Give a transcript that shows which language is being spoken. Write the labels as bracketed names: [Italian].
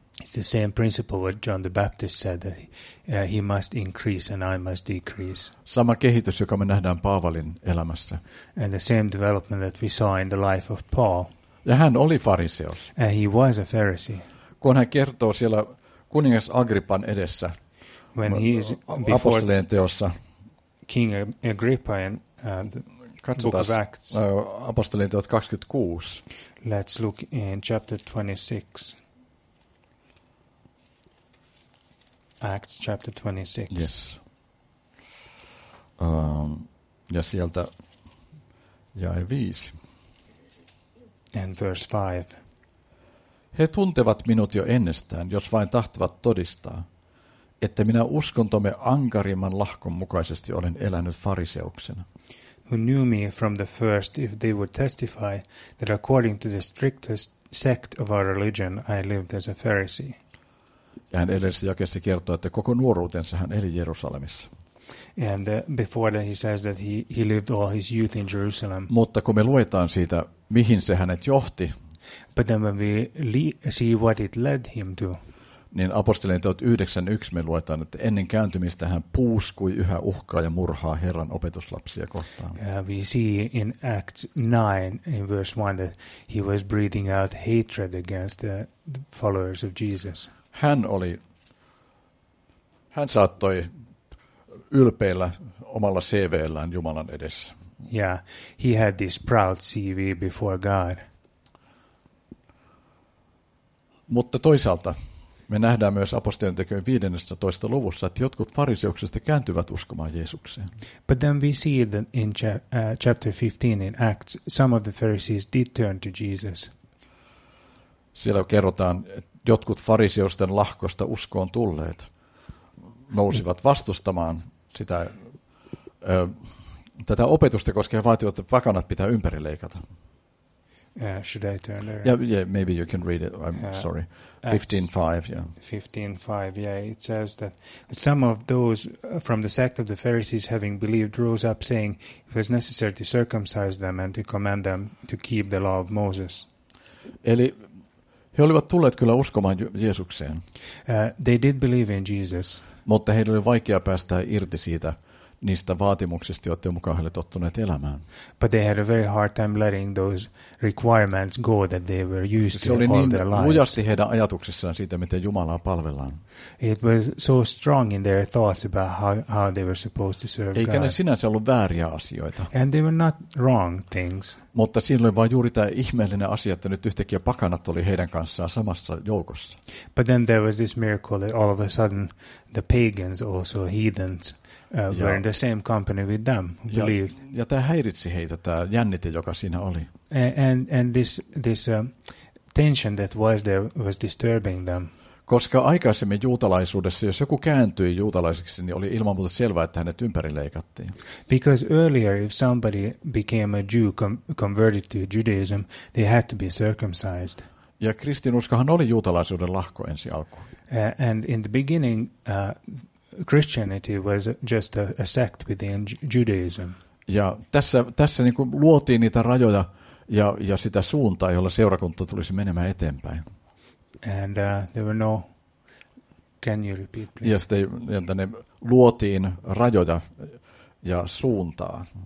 [English] It's the same principle what John the Baptist said, that he must increase and I must decrease. [Finnish] Sama kehitys, joka me nähdään Paavalin elämässä. [English] And the same development that we saw in the life of Paul. [Finnish] Ja hän oli fariseus. [English] And he was a Pharisee. [Finnish] Kun hän kertoo siellä kuningas Agrippan edessä, [English] when he is [Finnish] Apostolien teossa. [English] King Agrippa in the book of Acts. [Finnish] Apostolien teot 26. [English] Let's look in chapter 26. Acts chapter 26. Yes. [Finnish] Ja sieltä jae 5. [English] And verse 5. [Finnish] He tuntevat minut jo ennestään, jos vain tahtovat todistaa, että minä uskontomme ankarimman lahkon mukaisesti olen elänyt fariseuksena. [English] Who knew me from the first, if they would testify that according to the strictest sect of our religion I lived as a Pharisee. [Finnish] Ja hän edellisessä jakeessa kertoo, että koko nuoruutensa hän eli Jerusalemissa. [English] And before that he says that he lived all his youth in Jerusalem. [Finnish] Mutta kun me luetaan siitä, mihin se hänet johti. [English] But then when we see what it led him to. [Finnish] Niin apostolien teot 9.1 me luetaan, että ennen kääntymistä hän puuskui yhä uhkaa ja murhaa Herran opetuslapsia kohtaan. [English] We see in Acts 9, in verse 1, that he was breathing out hatred against the followers of Jesus. [Finnish] Hän saattoi ylpeillä omalla CV:llään Jumalan edessä. [English] Yeah, he had this proud CV before God. [Finnish] Mutta toisaalta me nähdään myös apostolien tekojen 15. luvussa, että jotkut fariseuksista kääntyvät uskomaan Jeesukseen. [English] But then we see that in chapter 15 in Acts, some of the Pharisees did turn to Jesus. [Finnish] Siellä kerrotaan, että jotkut fariseusten lahkosta uskoon tulleet nousivat vastustamaan sitä tätä opetusta, koska he vaativat, että pakanat pitää ympärileikata. [English] Yeah, should I turn there? Yeah, maybe you can read it. I'm sorry. 15:5, yeah. 15:5, yeah. It says that some of those from the sect of the Pharisees, having believed, rose up saying it was necessary to circumcise them and to command them to keep the law of Moses. [Finnish] Eli he olivat tulleet kyllä uskomaan Jeesukseen. [English] They did believe in Jesus. [Finnish] Mutta heillä oli vaikea päästä irti siitä niistä vaatimuksista, joita mukaan heille tottuneet elämään. [English] But they had a very hard time letting those requirements go that they were used to all their lives. [Finnish] Se oli niin lujasti heidän ajatuksissaan siitä, miten Jumalaa palvellaan. [English] It was so strong in their thoughts about how they were supposed to serve [Finnish] Eikä [English] God. [Finnish] Eikä ne sinänsä ollut vääriä asioita. [English] And they were not wrong things. [Finnish] Mutta siinä oli vain juuri tämä ihmeellinen asia, että nyt yhtäkkiä pakanat oli heidän kanssaan samassa joukossa. [English] But then there was this miracle that all of a sudden the pagans, also heathens, were in the same company with them, believed. [Finnish] Ja tämä häiritsi heitä, tämä jännite, joka siinä oli. [English] And this tension that was there was disturbing them. [Finnish] Koska aikaisemmin juutalaisuudessa, jos joku kääntyi juutalaiseksi, niin oli ilman muuta selvää, että hänet ympärileikattiin. [English] Because earlier, if somebody became a Jew, converted to Judaism, they had to be circumcised. [Finnish] Ja kristinuskohan oli juutalaisuuden lahko ensi alkuun. [English] And in the beginning, Christianity was just a sect within Judaism. [Finnish] Ja tässä niin kuin luotiin niitä rajoja ja sitä suuntaa, jolla seurakunta tulisi menemään eteenpäin. [English] And there were no. Can you repeat, please? [Finnish] Ja sitten että ne luotiin rajoja ja suuntaa.